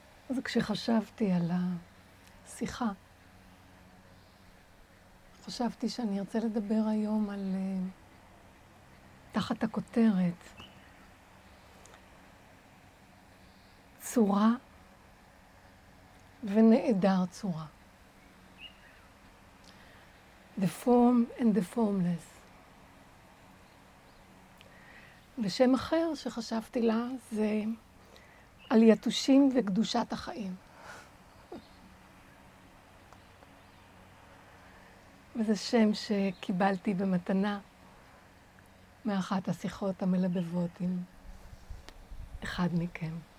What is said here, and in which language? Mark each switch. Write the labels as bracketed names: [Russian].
[Hebrew] אז כשחשבתי על השיחה, חשבתי שאני ארצה לדבר היום על תחת הכותרת צורה ונעדר צורה. [English] The form and the formless. [Hebrew] ושם אחר שחשבתי לה זה על יתושים וקדושת החיים. וזה שם שקיבלתי במתנה מאחת השיחות המלבבות עם אחד מכם.